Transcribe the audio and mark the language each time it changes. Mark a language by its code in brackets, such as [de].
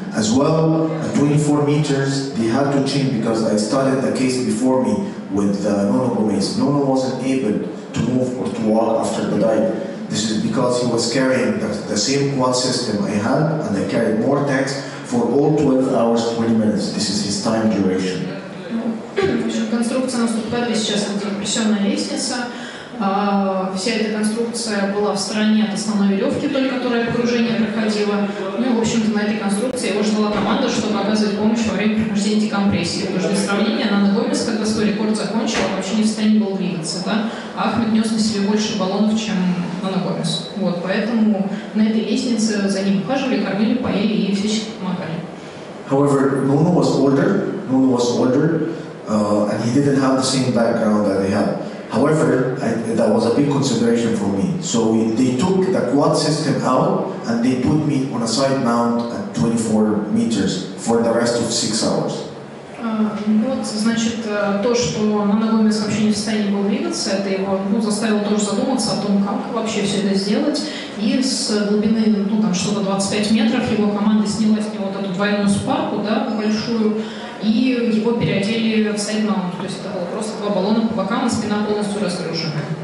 [en] As well, at 24 meters, they had to change because I started the case before me with Nono Gomez. Nono wasn't able to move or to walk after the dive. This is because he was carrying the same quad system I had, and I carried more tanks for all 12 hours, 20 minutes. This is his time duration. [ru] Конструкция на стоп-кадре сейчас это компрессионная лестница. Вся эта конструкция была в стороне от основной веревки, вдоль которой погружение проходило. Ну и, в общем-то, на этой конструкции его ждала команда, чтобы оказывать помощь во время прохождения декомпрессии. Потому что для сравнения, Нана Гомес, когда свой рекорд закончил, вообще не в состоянии был двигаться. Да? Ахмед нес на себе больше баллонов, чем Нана Гомес. Вот, поэтому на этой лестнице за ним ухаживали, кормили, поели и всячески помогали. [en] However, Nono was older. Nono was older. And he didn't have the same background that they had. However, that was a big consideration for me. So they took the quad system out and they put me on a side mount at 24 meters for the rest of 6 hours. [ru] Вот, значит, то, что Нана Гомес вообще не в состоянии был двигаться, это его заставило тоже задуматься о том, как вообще все это сделать. И с глубины, что-то 25 метров, его команда сняла с него вот эту двойную спарку, да, большую, и его переодели в сайд-маунт. То есть это было просто два баллона по бокам, и спина полностью разрушена.